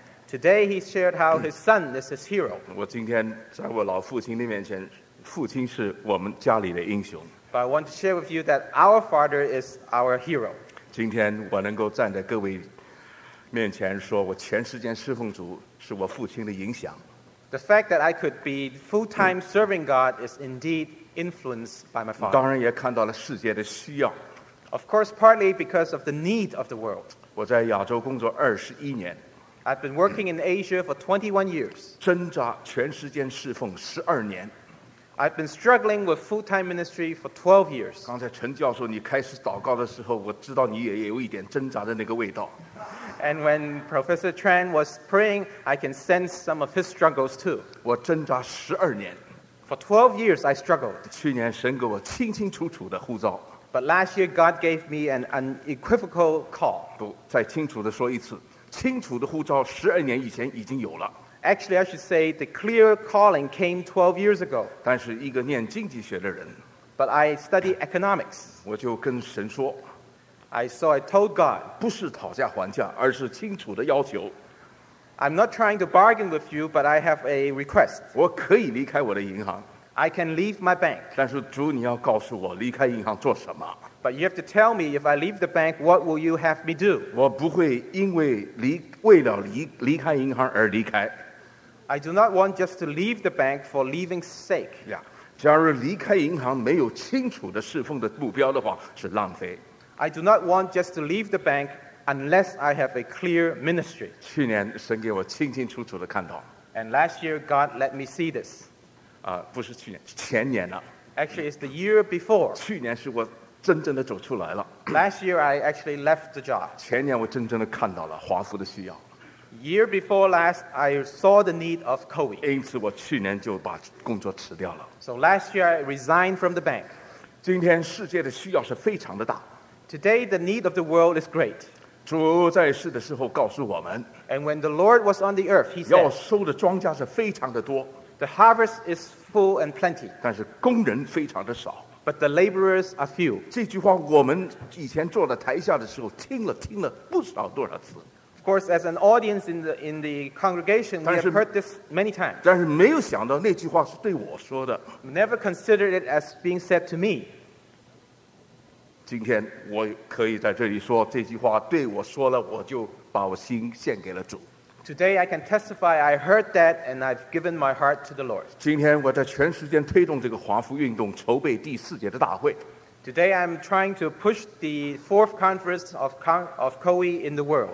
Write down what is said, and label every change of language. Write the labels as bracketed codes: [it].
[en] Today he shared how his son is his hero. [zh] 我今天在我老父亲的面前，父亲是我们家里的英雄。 [en] But I want to share with you that our father is our hero. [zh] 今天我能够站在各位面前说，我全时间侍奉主。是我父亲的影响。 [en] The fact that I could be full-time serving God is indeed influenced by my father. [zh] 当然也看到了世界的需要。 [en] Of course, partly because of the need of the world. [zh] 我在亚洲工作21年。 [en] I've been working in Asia for 21 years. [zh] 挣扎全时间侍奉12年。 [en] I've been struggling with full-time ministry for 12 years. [zh] 刚才陈教授你开始祷告的时候，我知道你也有一点挣扎的那个味道。 [en] And when Professor Tran was praying, I can sense some of his struggles too. [zh] 我挣扎十二年。 [en] For 12 years, I struggled. [zh] 去年神给我清清楚楚的呼召。 [en] But last year, God gave me an unequivocal call. [zh] 不，再清楚的说一次，清楚的呼召十二年以前已经有了。 [en] Actually, I should say the clear calling came 12 years ago. [zh] 但是一个念经济学的人。 [en] But I study economics. [zh] 我就跟神说。 [en] So I told God. [zh] 不是讨价还价，而是清楚的要求。 [en] I'm not trying to bargain with you, but I have a request. [zh] 我可以离开我的银行。 [en] I can leave my bank. [zh] 但是主，你要告诉我离开银行做什么。 [en] But you have to tell me, if I leave the bank, what will you have me do? [zh] 我不会因为为了离开银行而离开。 [en] I do not want just to leave the bank for leaving's sake. Yeah. [zh] 假如离开银行没有清楚的侍奉的目标的话，是浪费。 [en] I do not want just to leave the bank unless I have a clear ministry. [zh] 去年神给我清清楚楚的看到。 [en] And last year God let me see this. [zh] 不是去年，前年了。 [en] Actually, it's the year before. [zh] 去年是我真正的走出来了。 [en] Last year I actually left the job. [zh] 前年我真正的看到了华福的需要。 [en] Year before last, I saw the need of COVID. [zh] 因此我去年就把工作辞掉了。 [en] So last year I resigned from the bank. [zh] 今天世界的需要是非常的大。 [en] Today the need of the world is great. [zh] 主在世的时候告诉我们。 [en] And when the Lord was on the earth, he said. [zh] 要收的庄稼是非常的多。 [en] The harvest is full and plenty. [zh] 但是工人非常的少。 [en] But the laborers are few. [zh] 这句话我们以前坐在台下的时候听了不少多少次。 [en] Of course, as an audience in the congregation, we have heard this many times. [zh] 但是没有想到那句话是对我说的。 [en] Never considered it as being said to me. [zh] 今天我可以在这里说这句话对我说了，我就把我心献给了主。 [en] Today I can testify I heard that and I've given my heart to the Lord. [zh] 今天我在全时间推动这个华福运动，筹备第四届的大会。 [en] Today I'm trying to push the fourth conference of COE in the world.